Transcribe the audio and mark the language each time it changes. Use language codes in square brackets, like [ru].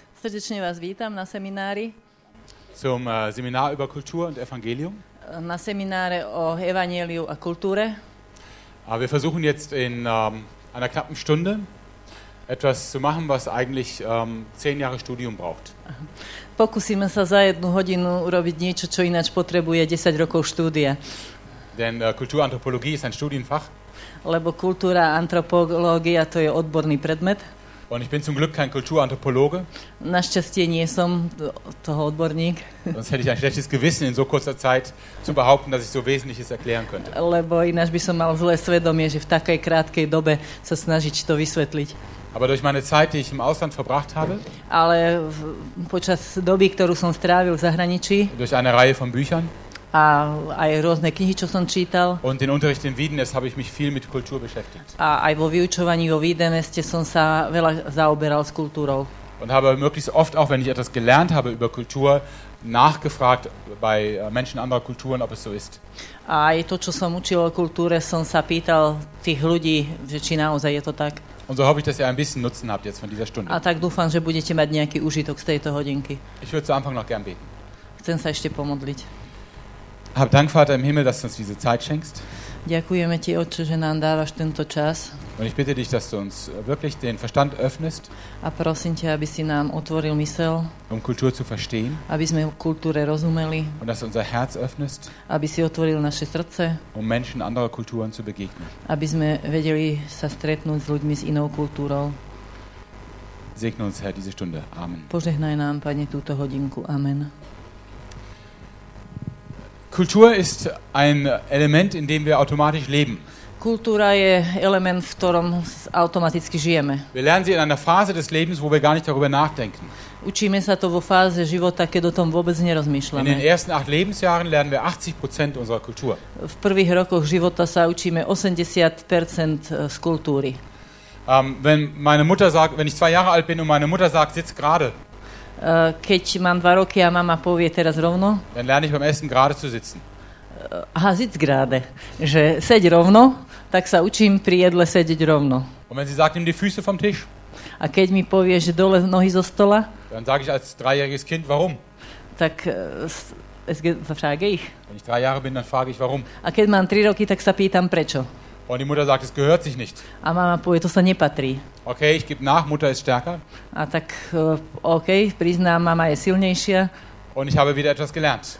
[sk] Srdečne vás vítam na seminári. [de] Zum Seminar über Kultur und Evangelium. [sk] Na semináre o evanjeliu a kultúre. [de] Wir versuchen jetzt in einer knappen Stunde etwas zu machen, was eigentlich 10 Jahre Studium braucht. [sk] Pokúsime sa za jednu hodinu urobiť niečo, čo ináč potrebuje 10 rokov štúdia. [de] Denn Kulturanthropologie ist ein Studienfach. [sk] Lebo kultúra a antropológia to je odborný predmet. [de] Und ich bin zum Glück kein Kulturanthropologe. [sk] Našťastie nie som toho odborník. [de] Sonst hätte ich ein schlechtes Gewissen in so kurzer Zeit zu behaupten, dass ich so Wesentliches erklären könnte. [sk] Lebo ináč by som mal zlé svedomie, že v takej krátkej dobe sa snažiť to vysvetliť. [de] Aber durch meine Zeit, die ich im Ausland verbracht habe, [sk] ale počas doby, ktorú som strávil v zahraničí, [de] durch eine Reihe von Büchern, [sk] a aj rôzne knihy, čo som čítal, [de] und den Unterricht in Wiedenest habe ich mich viel mit Kultur beschäftigt. [sk] A aj vo vyučovaní vo Wiedeneste som sa veľa zaoberal s kultúrou. [de] Und habe möglichst oft auch, wenn ich etwas gelernt habe über Kultur, nachgefragt bei Menschen anderer Kulturen, ob es so ist. [sk] A aj to, čo som učil o kultúre, som sa pýtal tých ľudí, že či naozaj je to tak. [de] Und so hoffe ich, dass ihr ein bisschen Nutzen habt jetzt von dieser Stunde. [sk] A tak dúfam, že budete mať nejaký užitok z tejto hodinky. [de] Ich würde zu Anfang noch gern beten. [sk] Chcem sa ešte pomodliť. [de] Hab Dank, Vater im Himmel, dass du uns diese Zeit schenkst. [sk] Ďakujeme ti, Otče, že nám dávaš tento čas. [de] Und ich bitte dich, dass du uns wirklich den Verstand öffnest. [sk] A prosím ťa, aby si nám otvoril mysel. [de] Um Kultur zu verstehen. [sk] Aby sme kultúre rozumeli. [de] Und dass du unser Herz öffnest. [sk] Aby si otvoril naše srdce. [de] Um Menschen anderer Kulturen zu begegnen. [sk] Aby sme vedeli sa stretnúť s ľuďmi s inou kultúrou. [de] Segne uns, Herr, diese Stunde. Amen. [sk] Požehnaj nám, Pane, túto hodinku. Amen. [de] Kultur ist ein Element, in dem wir automatisch leben. [sk] Kultúra je element, v ktorom automaticky žijeme. [de] Wir lernen sie in einer Phase des Lebens, wo wir gar nicht darüber nachdenken. [sk] Učíme sa to vo fáze života, keď o tom vôbec nerozmýšľame. [de] In den ersten 8 Lebensjahren lernen wir 80% unserer Kultur. [sk] V prvých rokoch života sa učíme 80% z kultúry. [de] Wenn ich 2 Jahre alt bin und meine Mutter sagt, sitz gerade. [sk] Keď mám 2 roky a mama povie teraz rovno. [de] Dann lerne ich beim Essen gerade zu sitzen. Aha, sitz gerade. [sk] Že seď rovno, tak sa učím pri jedle sedieť rovno. [de] Und wenn sie sagt, nimm die Füße vom Tisch. [sk] A keď mi povie, že dole nohy zo stola. [de] Dann sage ich als dreijähriges Kind, warum? [sk] Tak [de] frage ich. Wenn ich 3 Jahre bin, dann frage ich, warum. [sk] A keď mám 3 roky, tak sa pýtam, prečo. [de] Und die Mutter sagt, es gehört sich nicht. [sk] A mama povie, to sa nepatrí. [de] Okay, ich gebe nach, Mutter ist stärker. [sk] A tak, okay, priznám, mama je silnejšia. [de] Und ich habe wieder etwas gelernt.